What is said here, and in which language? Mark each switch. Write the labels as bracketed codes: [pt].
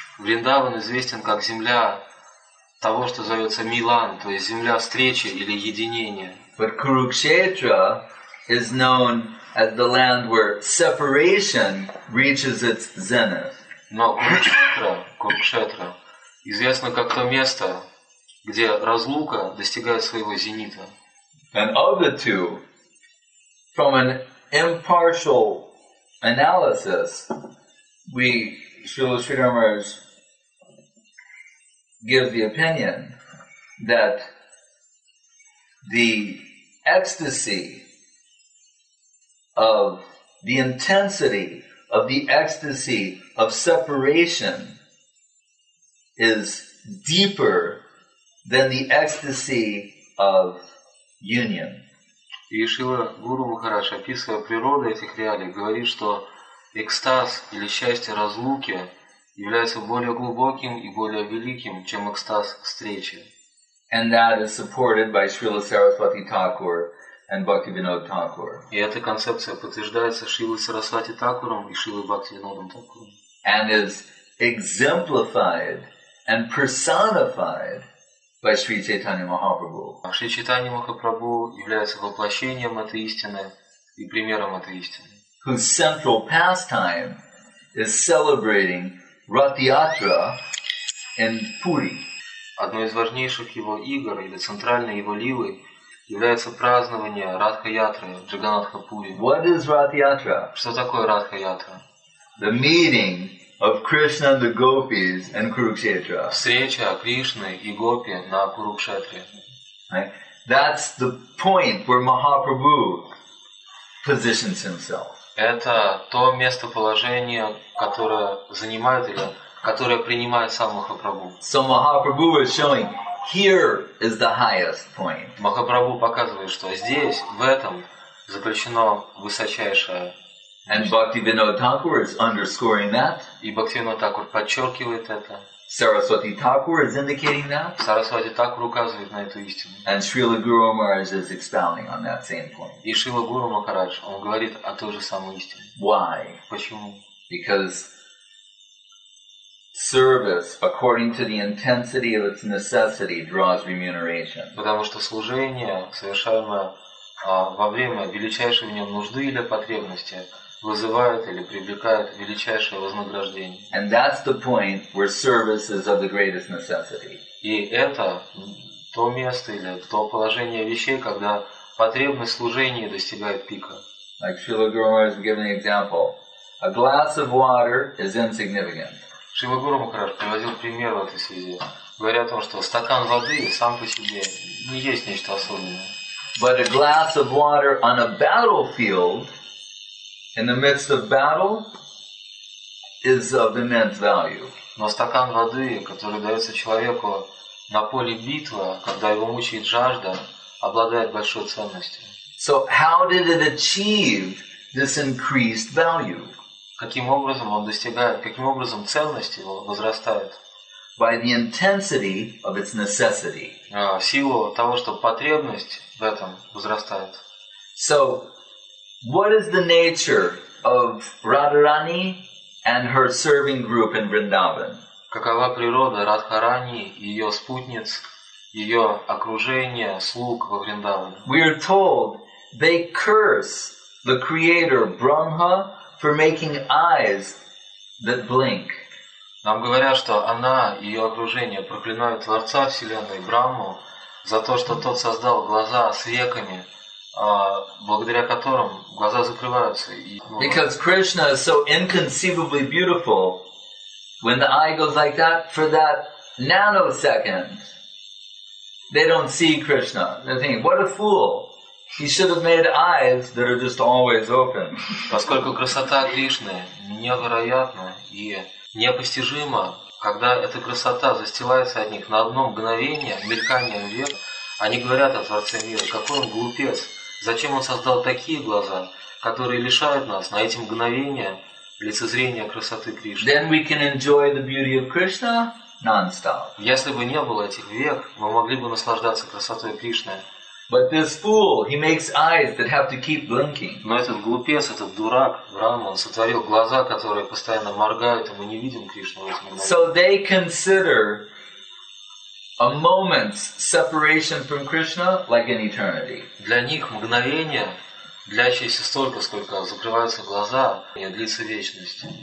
[en] Vrindavan is [ru] известен как земля того, что зовется Милан, то есть земля встречи или единения. [en] But Kurukshetra is known as the land where separation reaches its zenith. [ru] Но Kurukshetra известно как то место, где разлука достигает своего зенита. [en] And of the two, from an impartial analysis, we, Srila Sridhar Maharaj, give the opinion that the ecstasy of the intensity of the ecstasy of separation is deeper than the ecstasy of union. [ru] И Шрила Гуру Махарадж, описывая природу этих реалий, говорит, что экстаз или счастье разлуки является более глубоким и более великим, чем экстаз встречи. [en] And that is supported by Srila Saraswati Thakur and Bhaktivinoda Thakur. [ru] И эта концепция подтверждается Шрилой Сарасвати Такуром и Шрилой Бхактивинодом Такуром. [en] And is exemplified and personified by Sri Chaitanya Mahaprabhu. [ru] Шри Чайтанья Махапрабху является воплощением этой истины и примером этой истины. [en] Whose central pastime is celebrating Rath Yatra in Puri. [ru] Одной из важнейших его игр или центральной его лилы является празднование Радха Ятры в Джаганнатха Пури. [en] What is Rath Yatra? [ru] Что такое Радха Ятра? [en] The meeting of Krishna and the Gopis and Kurukshetra. [ru] Встреча Кришны и Гопи на Курукшетре. [en] That's the point where Mahaprabhu positions himself. [ru] Это то местоположение, которое занимает или которое принимает сам Махапрабху. [en] So Mahaprabhu is showing here is the highest point. [ru] Махапрабху показывает, что здесь, в этом, заключено высочайшее. [en] And Bhaktivinoda Thakur is underscoring that. [ru] И Бхактивинода Такур подчеркивает это. [en] Saraswati Thakur is indicating that. [ru] Сарасвати Такур указывает на эту истину. [en] And Srila Guru Maharaj is expounding on that same point. [ru] И Шрила Гуру Махарадж, он говорит о той же самой истине. [en] Why? [ru] Почему? [en] Because service, according to the intensity of its necessity, draws remuneration. [ru] Потому что служение, совершаемое во время величайшей в нем нужды или потребности, вызывает или привлекает величайшее вознаграждение. [en] And that's the point where service is of the greatest necessity. [ru] И это то место или то положение вещей, когда потребность служения достигает пика. [en] Like Srila Guru Maharaj gave an example. A glass of water is insignificant. [ru] Шрила Гуру Махарадж приводил пример в этой связи, говоря о том, что стакан воды сам по себе не есть нечто особенное. [en] But a glass of water on a battlefield in the midst of battle is of immense value. [ru] Но стакан воды, который дается человеку на поле битвы, когда его мучает жажда, обладает большой ценностью. [en] So how did it achieve this increased value? [ru] Каким образом он достигает, каким образом ценность его возрастает? [en] By the intensity of its necessity. [ru] В силу того, что потребность в этом возрастает. [en] So, what is the nature of Radharani and her serving group in Vrindavan? [ru] Какова природа Радхарани, ее спутниц, ее окружение, слуг во Вриндаване? [en] We are told they curse the creator Brahma for making eyes that blink. [ru] Нам говорят, что она и ее окружение проклинают Творца Вселенной Брахму за то, что тот создал глаза с веками, благодаря которым глаза закрываются. [en] Because Krishna is so inconceivably beautiful, when the eye goes like that for that nanosecond, they don't see Krishna. They're thinking, what a fool! He should have made eyes that are just always open. [ru] Поскольку красота Кришны невероятна и непостижимо, когда эта красота застилается от них на одно мгновение, мельканием век, они говорят о Творце мира, какой он глупец, зачем он создал такие глаза, которые лишают нас на эти мгновения лицезрения красоты Кришны. [en] Then we can enjoy the beauty of Krishna non-stop. [ru] Если бы не было этих век, мы могли бы наслаждаться красотой Кришны. [en] But this fool, he makes eyes that have to keep blinking. [ru] Но этот глупец, этот дурак, Брахма, он сотворил глаза, которые постоянно моргают, и мы не видим Кришну в этом мгновении. [en] So they consider a moment's separation from Krishna like an eternity. [ru] Для них мгновение, длящееся столько, сколько закрываются глаза, не длится вечность.